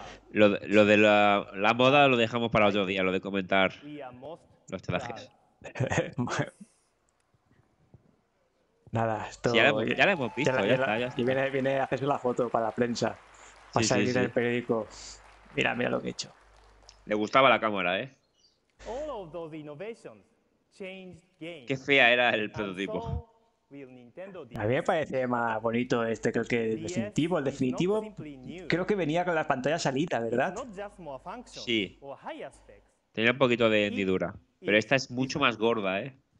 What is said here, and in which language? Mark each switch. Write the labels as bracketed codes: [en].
[es] Lo de la moda lo dejamos para otro día, lo de comentar los trajes. Nada, esto... Ya lo hemos visto, ya está. Y viene a hacerse la foto para la prensa. Va a salir en el periódico. Mira lo que he hecho. Le gustaba la cámara, ¿eh? [en] All of those innovations changed games. [es] Qué fea era el prototipo. A mí me parece más bonito este que el definitivo. Creo que venía con la pantalla salida, ¿verdad? Sí. Tenía un poquito de hendidura. Pero esta es mucho más gorda, ¿eh?